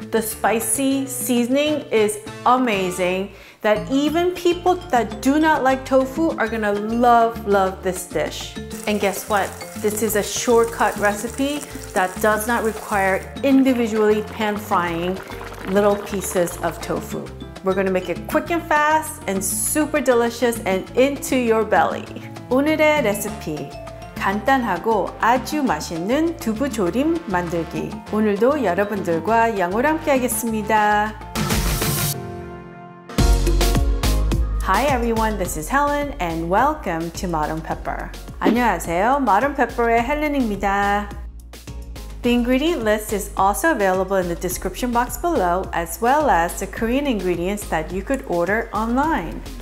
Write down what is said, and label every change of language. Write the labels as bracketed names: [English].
[English] The spicy seasoning is amazing, that even people that do not like tofu are gonna love, love this dish. And guess what? This is a shortcut recipe that does not require individually pan frying little pieces of tofu. We're gonna make it quick and fast and super delicious and into your belly. [Korean] 오늘의 레시피, 간단하고 아주 맛있는 두부조림 만들기. 오늘도 여러분들과 영어로 함께 하겠습니다. [English] Hi everyone, this is Helen and welcome to Modern Pepper. [Korean] 안녕하세요, Modern Pepper의 헬렌입니다. [English] The ingredient list is also available in the description box below, as well as the Korean ingredients that you could order online.